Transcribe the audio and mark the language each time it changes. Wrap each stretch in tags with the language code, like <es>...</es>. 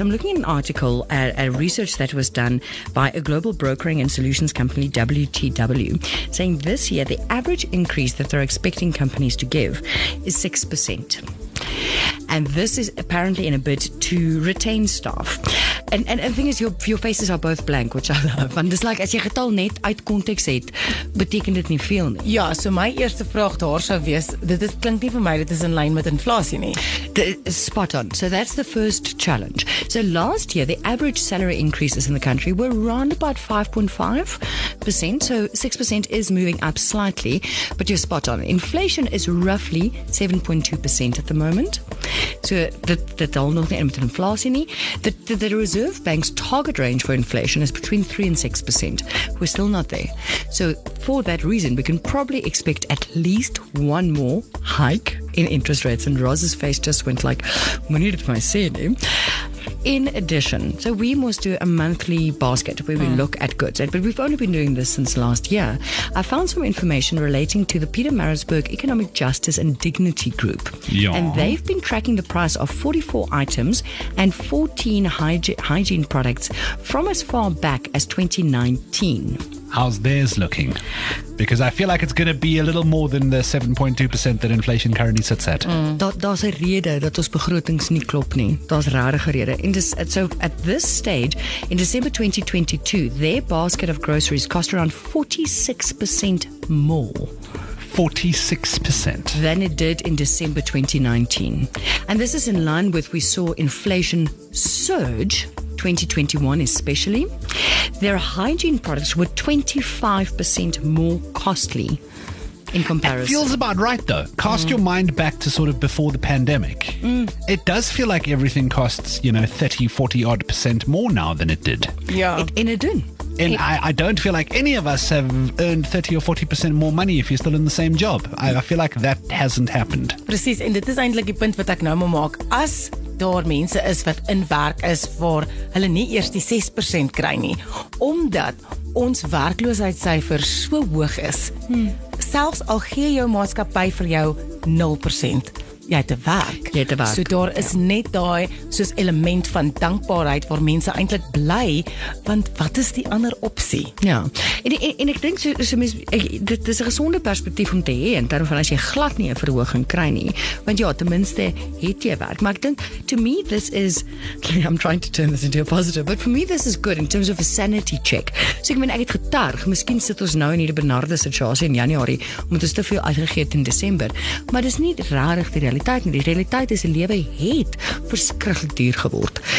<en>I'm looking at an article, a research that was done by a global brokering and solutions company, WTW, saying this year the average increase that they're expecting companies to give is 6%. And this is apparently in a bid to retain staff. And the thing is, your faces are both blank, which I love. And it's like,</en> <af>as jy getal net uit context het, beteken dit nie veel nie. Ja, so my eerste vraag daar sou wees, dit klink nie vir my, dit is in line met inflasie nie.</af> <en>Spot on. So that's the first challenge. So last year, the average salary increases in the country were around about 5.5%. So 6% is moving up slightly, but you're spot on. Inflation is roughly 7.2% at the moment.</en> <af>So dit al nog nie met inflasie nie.</af> <en>The Reserve Bank's target range for inflation is between 3 and 6%. We're still not there. So for that reason, we can probably expect at least one more hike in interest rates. And Roz's face just went like, when did I say it? In addition, so we must do a monthly basket where we look at goods. But we've only been doing this since last year. I found some information relating to the Peter Maritzburg Economic Justice and Dignity Group. Yeah. And they've been tracking the price of 44 items and 14 hygiene products from as far back as 2019. How's theirs looking? Because I feel like it's going to be a little more than the 7.2% that inflation currently sits at.</en> <af>Daar's 'n rede dat ons begrotings nie klop nie. Daar's rarige rede.</af> <en>So at this stage, in December 2022, their basket of groceries cost around 46% more. 46%. Than it did in December 2019. And this is in line with we saw inflation surge 2021 especially. Their hygiene products were 25% more costly in comparison. It feels about right, though. Cast your mind back to sort of before the pandemic. It does feel like everything costs, 30-40% more now than it did. Yeah. I don't feel like any of us have earned 30-40% more money if you're still in the same job. I feel like that hasn't happened.</en> <af>Precies.</af> <en>And this is</en> <af>eindelijk die punt wat ek nou maak. As daar mense is wat in werk is waar hulle nie eers die 6% kry nie, omdat ons werkloosheidssyfer so hoog is, selfs al gee jou maatskappy vir jou 0%, jy het te werk. So daar is net daai soos element van dankbaarheid waar mense eintlik bly, want wat is die ander opsie? Ja, en ek dink dit is 'n gesonde perspektief om te hê, en daarom van as jy glad nie 'n verhoging kry nie, want ja, ten minste het jy werk. Maar ek dink,</af> <en>to me this is, I'm trying to turn this into a positive, but for me this is good in terms of a sanity check.</en> <af>So ek meen, ek het getarg, miskien sit ons nou in hierdie benarde situasie in Januari, omdat ons te veel uitgegee het in December, maar dis nie rarig die realiteit nie. Die realiteit is, die lewe het verskriklik duur geword.</af>